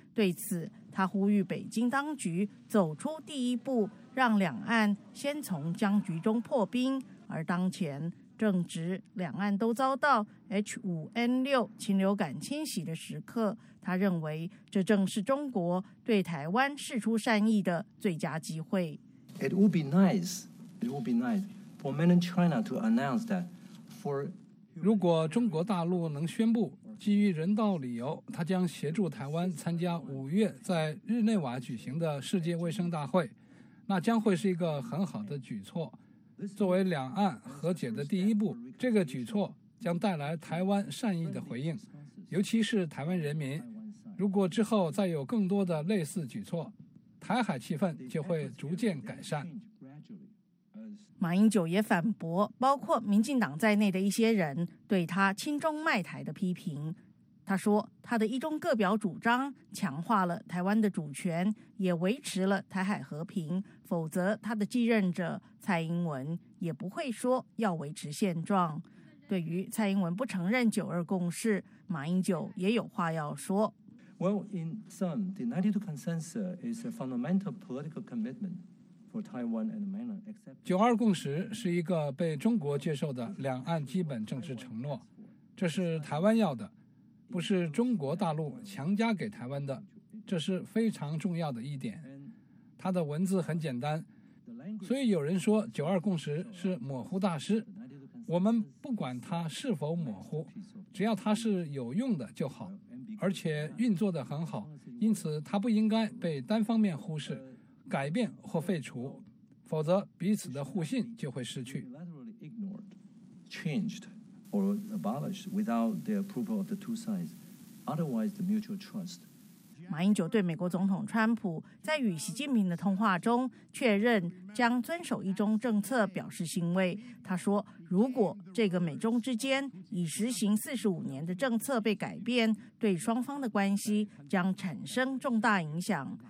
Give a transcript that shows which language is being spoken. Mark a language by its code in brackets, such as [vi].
[zh] 对此，他呼吁北京当局走出第一步，让两岸先从僵局中破冰。而当前正值两岸都遭到 H5N6 禽流感侵袭的时刻，他认为这正是中国对台湾释出善意的最佳机会。 [en] It would be nice for mainland China to announce that for [zh] 如果中国大陆能宣布基于人道理由，他将协助台湾参加五月在日内瓦举行的世界卫生大会，那将会是一个很好的举措。作为两岸和解的第一步，这个举措将带来台湾善意的回应，尤其是台湾人民。如果之后再有更多的类似举措，台海气氛就会逐渐改善。马英九也反驳包括民进党在内的一些人对他亲中卖台的批评。他说，他的一中各表主张强化了台湾的主权，也维持了台海和平，否则他的继任者蔡英文也不会说要维持现状。对于蔡英文不承认九二共识，马英九也有话要说。 [en] Well, in sum, the 92 consensus is a fundamental political commitment for Taiwan and mainland. [zh] 九二共识是一个被中国接受的两岸基本政治承诺，这是台湾要的，不是中国大陆强加给台湾的，这是非常重要的一点。它的文字很简单，所以有人说九二共识是模糊大师，我们不管它是否模糊，只要它是有用的就好，而且运作得很好，因此它不应该被单方面忽视、改变或废除，否则彼此的互信就会失去。 [en] Or abolished without the approval of the two sides, otherwise the mutual trust. [zh] 马英九对美国总统川普在与习近平的通话中确认将遵守一中政策表示欣慰。他说，如果这个美中之间已实行45年的政策被改变，对双方的关系将产生重大影响。